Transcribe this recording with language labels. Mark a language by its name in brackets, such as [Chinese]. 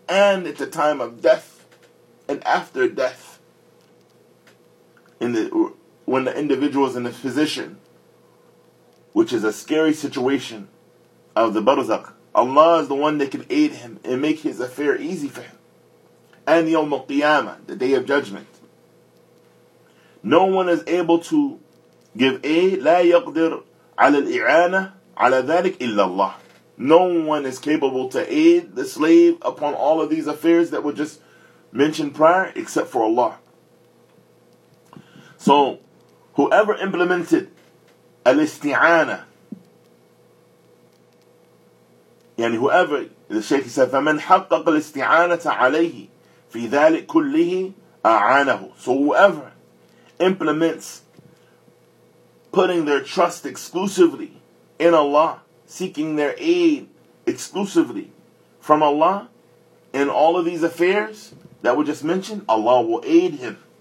[English] and at the time of death and after death, when the individual is in a position, which is a scary situation of the barzakh, Allah is the one that can aid him and make his affair easy for him. And Yawm al-Qiyamah, the Day of Judgment. No one is able to give aid. [Arabic] لا يقدر على الإعانة على ذلك إلا الله. [English] No one is capable to aid the slave upon all of these affairs that were just mentioned prior except for Allah. So, whoever implemented [Arabic] الاستعانة, يعني [English] whoever, the Shaykh said, [Arabic] فَمَنْ حَقَّقَ الْاِسْتِعَانَةَ عَلَيْهِ فِي ذَلِكْ كُلِّهِ أَعَانَهُ. [English] So whoever implements putting their trust exclusively in Allah, seeking their aid exclusively from Allah in all of these affairs that were just mentioned, Allah will aid him.